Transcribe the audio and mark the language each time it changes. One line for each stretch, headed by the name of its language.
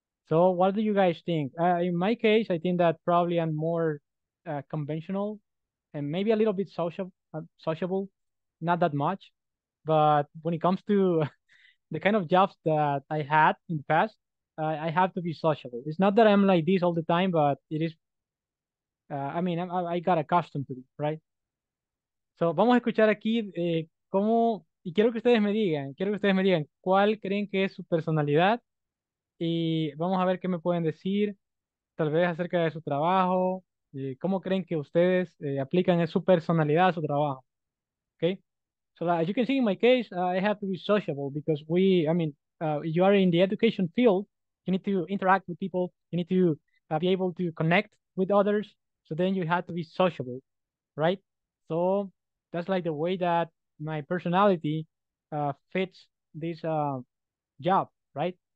English: So what do you guys think? In my case, I think that probably I'm more conventional and maybe a little bit sociable, not that much. But when it comes to the kind of jobs that I had in the past, I have to be sociable. It's not that I'm like this all the time, but it is, I mean, I got accustomed to it, right?
Spanish: So vamos a escuchar aquí cómo, y quiero que ustedes me digan cuál creen que es su personalidad. Y vamos a ver qué me pueden decir, tal vez acerca de su trabajo, y cómo creen que ustedes aplican su personalidad a su trabajo.
English: Okay? So as you can see in my case, I have to be sociable because you are in the education field, you need to interact with people, you need to be able to connect with others, so then you have to be sociable, right? So that's like the way that my personality fits this job, right?